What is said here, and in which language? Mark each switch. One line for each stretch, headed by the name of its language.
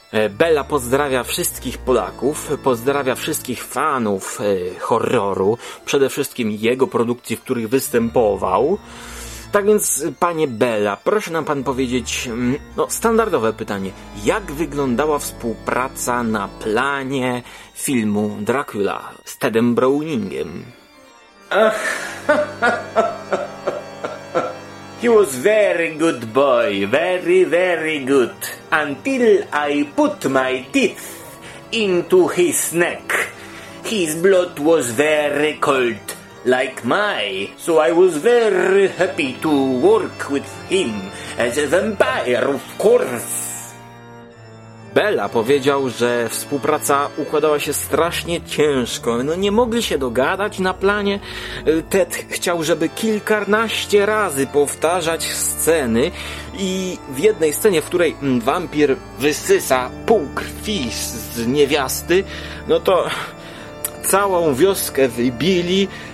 Polish: Bela pozdrawia wszystkich Polaków, pozdrawia wszystkich fanów horroru, przede wszystkim jego produkcji, w których występował. Tak więc, panie Bela, proszę nam pan powiedzieć, no, standardowe pytanie. Jak wyglądała współpraca na planie filmu Dracula z Tedem Browningiem?
English: He was very good boy, very, very good. Until I put my teeth into his neck. His blood was very cold. Like my, so I was very happy to work with him as a vampire, of course.
Polish: Bela powiedział, że współpraca układała się strasznie ciężko. No nie mogli się dogadać na planie. Ted chciał, żeby kilkanaście razy powtarzać sceny i w jednej scenie, w której wampir wysysa pół krwi z niewiasty, no to całą wioskę wybili.